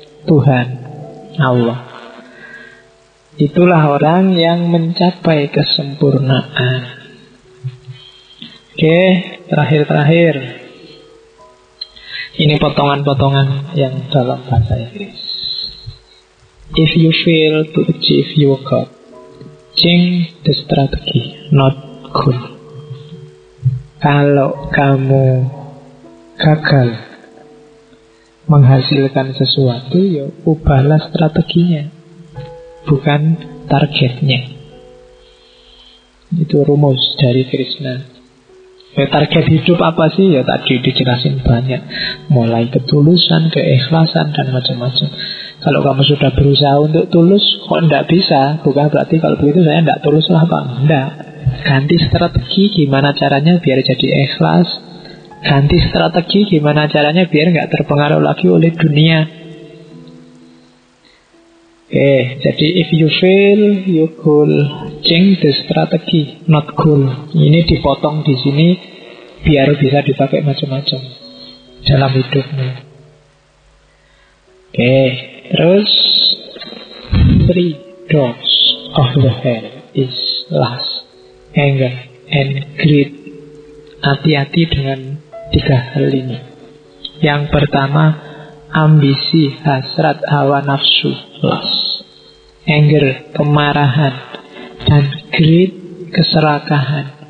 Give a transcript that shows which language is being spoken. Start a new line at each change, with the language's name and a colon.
Indonesian: Tuhan, Allah. Itulah orang yang mencapai kesempurnaan. Oke, terakhir-terakhir. Ini potongan-potongan yang dalam bahasa Inggris.
English: If you fail to achieve your goal, change the strategy, not goal.
Indonesian: Kalau kamu gagal menghasilkan sesuatu, ya ubahlah strateginya, bukan targetnya. Itu rumus dari Krishna. Ya, target hidup apa sih? Ya tadi dijelasin banyak, mulai ketulusan, keikhlasan, dan macam-macam. Kalau kamu sudah berusaha untuk tulus, kok enggak bisa? Bukan berarti kalau begitu saya enggak tulus lah, Pak. Enggak. Ganti strategi gimana caranya biar jadi ikhlas. Ganti strategi gimana caranya biar enggak terpengaruh lagi oleh dunia. Oke, jadi
English: if you fail, you goal. Change the strategy, not goal.
Indonesian: Ini dipotong di sini biar bisa dipakai macam-macam dalam hidupmu. Oke, terus
English: three dogs of the hell is lust, anger, and greed.
Indonesian: Hati-hati dengan tiga hal ini. Yang pertama, ambisi, hasrat, hawa nafsu, lust, anger, kemarahan, dan greed, keserakahan.